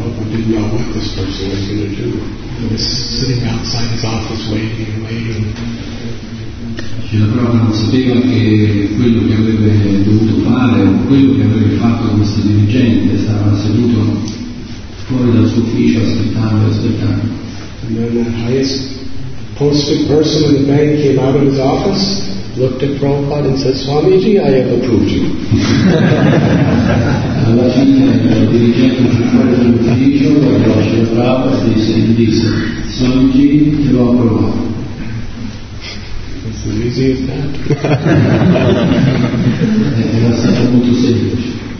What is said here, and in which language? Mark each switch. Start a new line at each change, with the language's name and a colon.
English: didn't know what this person was going to do. He was sitting outside his office waiting and waiting.
Italian: Cioè, però non sapeva che quello che avrebbe dovuto fare o quello che avrebbe fatto questo dirigente stava seduto fuori dal suo ufficio aspettando.
English: And then the highest posted person in the bank came out of his office, looked at Prabhupada and said, Swamiji, I have approved you.
Italian: Alla fine il dirigente più fuori dall'ufficio guardò Srila Prabhupada e disse, Swamiji, ti ho approvato.
English: It's as easy as that.
Italian: Era stato molto semplice.